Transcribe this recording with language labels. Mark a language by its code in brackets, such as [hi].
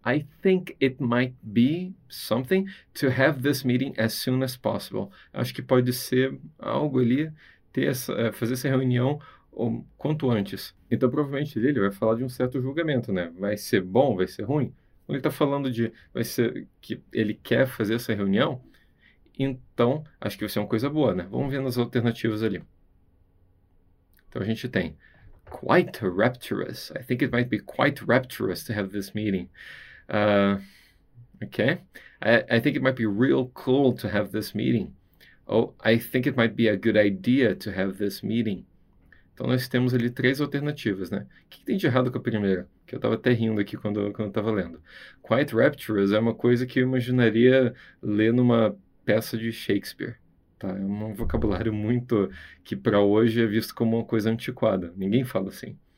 [en] I think it might be something to have this meeting as soon as possible. [pt] Acho que pode ser algo ali, fazer essa reunião o quanto antes. Então provavelmente ele vai falar de um certo julgamento, né? Vai ser bom, vai ser ruim? Quando ele está falando de vai ser que ele quer fazer essa reunião, então acho que vai ser uma coisa boa, né? Vamos ver nas alternativas ali. Então a gente tem quite rapturous. [en] I think it might be quite rapturous to have this meeting. Okay. I think it might be real cool to have this meeting. Oh, I think it might be a good idea to have this meeting. [pt] Então nós temos ali três alternativas, né? O que tem de errado com a primeira? Que eu estava até rindo aqui quando estava lendo. Quite rapturous é uma coisa que eu imaginaria ler numa peça de Shakespeare. Tá, é um vocabulário muito que para hoje é visto como uma coisa antiquada. Ninguém fala assim.